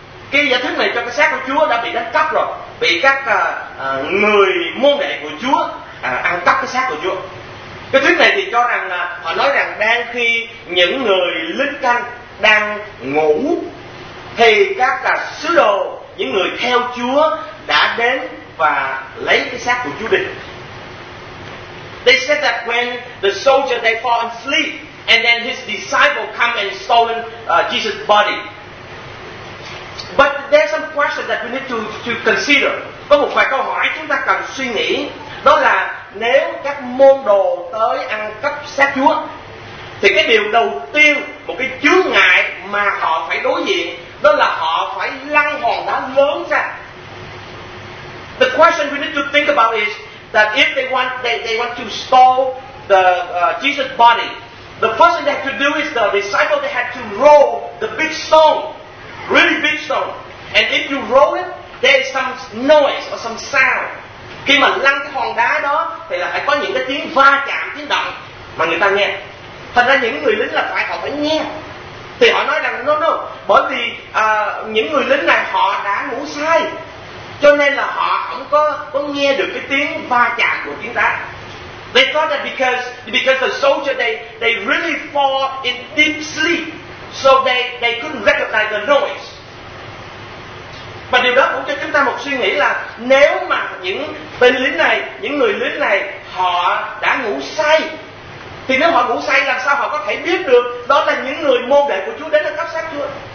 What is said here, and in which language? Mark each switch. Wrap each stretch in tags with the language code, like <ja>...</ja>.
<vi>Cái giả thuyết này cho cái xác của Chúa đã bị đánh cắp rồi, bị các người môn đệ của Chúa ăn cắp cái xác của Chúa. Cái thuyết này thì cho rằng là họ nói rằng đang khi những người lính canh đang ngủ thì các sứ đồ, những người theo Chúa đã đến và lấy cái xác của Chúa đi.</vi> <en>They said that when the soldier they fall asleep and then his disciple come and stolen Jesus' body. But there's some questions that we need to consider.</en> <vi>Có một vài câu hỏi chúng ta cần suy nghĩ. Đó là nếu các môn đồ tới ăn cắp xác Chúa thì cái điều đầu tiên, một cái chướng ngại mà họ phải đối diện, đó là họ phải lăn hòn đá lớn ra.</vi> <en>The question we need to think about is that if they want to stole the Jesus body, the first thing they have to do is the disciple, they have to roll the big stone, really big stone, and if you roll it, there is some noise or some sound.</en> <vi>Khi mà lăn cái hòn đá đó thì là phải có những cái tiếng va chạm, tiếng động mà người ta nghe. Thành ra những người lính là phải, họ phải nghe. Thì họ nói rằng no, bởi vì những người lính này họ đã ngủ say, cho nên là họ không có nghe được cái tiếng va chạm của tiếng đá.</vi> <en>They thought that because the soldier they really fall in deep sleep, so they couldn't recognize the noise.</en> <vi>Và điều đó cũng cho chúng ta một suy nghĩ là nếu mà những tên lính này, những người lính này họ đã ngủ say, thì nếu họ ngủ say làm sao họ có thể biết được đó là những người môn đệ của Chúa đến để cấp sát Chúa?</vi>